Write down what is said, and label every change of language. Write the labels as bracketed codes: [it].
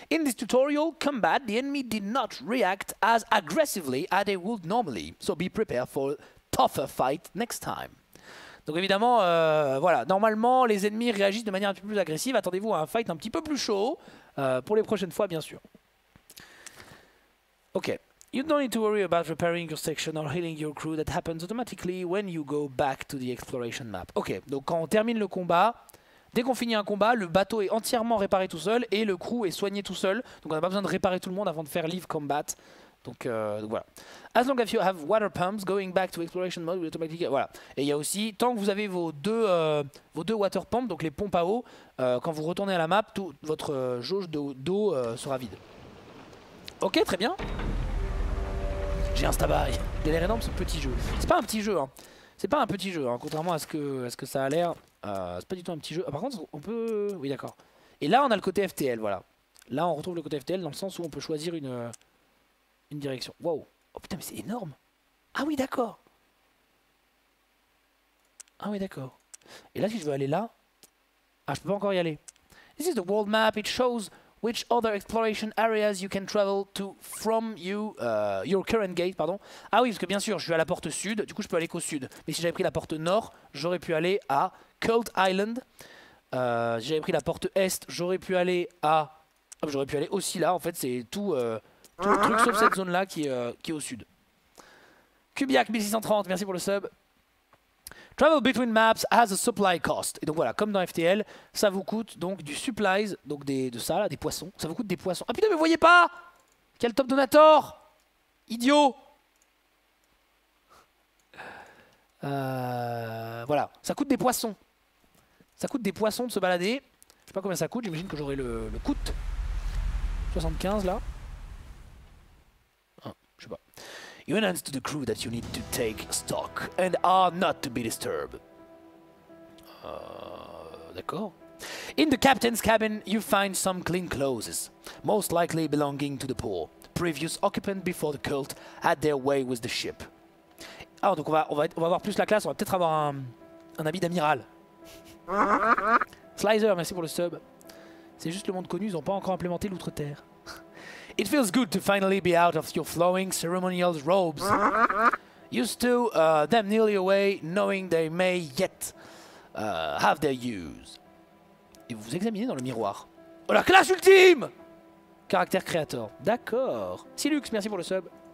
[en] In this tutorial combat, the enemy did not react as aggressively as they would normally. So be prepared for a tougher fight next time. [fr] Donc évidemment, voilà, normalement, les ennemis réagissent de manière un peu plus agressive. Attendez-vous à un fight un petit peu plus chaud pour les prochaines fois, bien sûr. Ok. [en] You don't need to worry about repairing your section or healing your crew. That happens automatically when you go back to the exploration map. [fr] Ok, donc quand on termine le combat, dès qu'on finit un combat, le bateau est entièrement réparé tout seul et le crew est soigné tout seul. Donc on n'a pas besoin de réparer tout le monde avant de faire leave combat. Donc voilà. [en] As long as you have water pumps, going back to exploration mode will automatically... Voilà. [fr] Et il y a aussi, tant que vous avez vos deux water pumps, donc les pompes à eau, quand vous retournez à la map, tout, votre jauge d'eau sera vide. Ok, très bien. J'ai un stabaï. Il a l'air énorme ce petit jeu. C'est pas un petit jeu, hein. C'est pas un petit jeu, hein. Contrairement à ce que ça a l'air. C'est pas du tout un petit jeu. Ah, par contre, on peut... Oui, d'accord. Et là, on a le côté FTL, voilà. Là, on retrouve le côté FTL dans le sens où on peut choisir une direction. Waouh. Oh putain, mais c'est énorme. Ah oui, d'accord. Ah oui, d'accord. Et là, si je veux aller là... Ah, je peux pas encore y aller. [en] This is the world map. It shows which other exploration areas you can travel to from you, your current gate, pardon. [fr] Ah oui, parce que bien sûr, je suis à la porte sud, du coup, je peux aller qu'au sud. Mais si j'avais pris la porte nord, j'aurais pu aller à Cult Island. Si j'avais pris la porte est, j'aurais pu aller à J'aurais pu aller aussi là, en fait, c'est tout, tout le truc sauf cette zone-là qui est au sud. [en] Kubiak 1630, [fr] merci pour le sub. [en] Travel between maps has a supply cost. [fr] Et donc voilà, comme dans FTL, ça vous coûte donc du supplies, donc des poissons. Ça vous coûte des poissons. Ah putain, mais vous voyez pas ? Quel top donator ! Idiot ! Voilà, ça coûte des poissons. Ça coûte des poissons de se balader. Je sais pas combien ça coûte, j'imagine que j'aurai le coût. 75 là. Ah, je sais pas. [en] You announce to the crew that you need to take stock and are not to be disturbed. [fr] D'accord. [en] In the captain's cabin, you find some clean clothes, most likely belonging to the poor. Previous occupant before the cult had their way with the ship. [fr] Ah, donc on va avoir plus la classe, on va peut-être avoir un habit d'amiral. Slicer, merci pour le sub. C'est juste le monde connu, ils n'ont pas encore implémenté l'outre-terre. [en] It feels good to finally be out of your flowing ceremonial robes. Used to them nearly away, knowing they may yet have their use. [fr] Et vous vous examinez dans le miroir. Oh, la classe ultime ! Caractère créateur. D'accord. Silux, merci pour le sub.